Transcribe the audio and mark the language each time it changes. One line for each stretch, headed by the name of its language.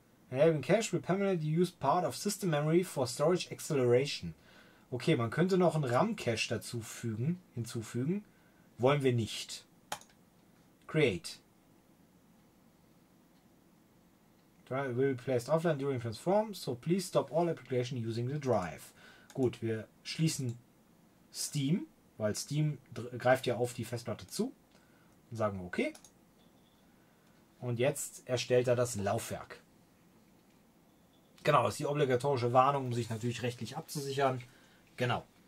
English: Having cache will permanently use part of system memory for storage acceleration.
German: Okay, man könnte noch einen RAM-Cache dazu fügen, hinzufügen. Wollen wir nicht. Create.
English: Drive will be placed offline during transform, so please stop all application using the drive.
German: Gut, wir schließen Steam, weil Steam greift ja auf die Festplatte zu. Und sagen okay. Und jetzt erstellt er das Laufwerk. Genau, das ist die obligatorische Warnung, um sich natürlich rechtlich abzusichern. Genau.